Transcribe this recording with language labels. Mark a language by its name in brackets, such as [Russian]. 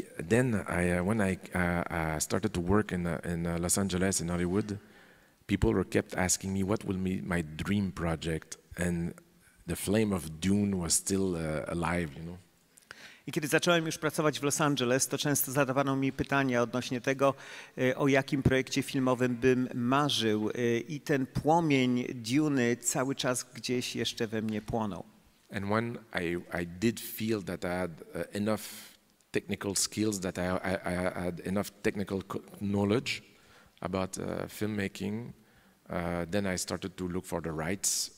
[English] When I started to work in Los Angeles in Hollywood, people were kept asking me what will be my dream project, and the flame of Dune was still alive, you know. [Polish] I kiedy zacząłem już pracować w Los Angeles, to często zadawano mi pytania odnośnie tego, o jakim projekcie filmowym bym marzył. I ten płomień Dune'y cały czas gdzieś jeszcze we mnie płonął. [English] And when I did feel that I had enough technical skills, that I had enough technical knowledge about filmmaking, then I started to look for the rights.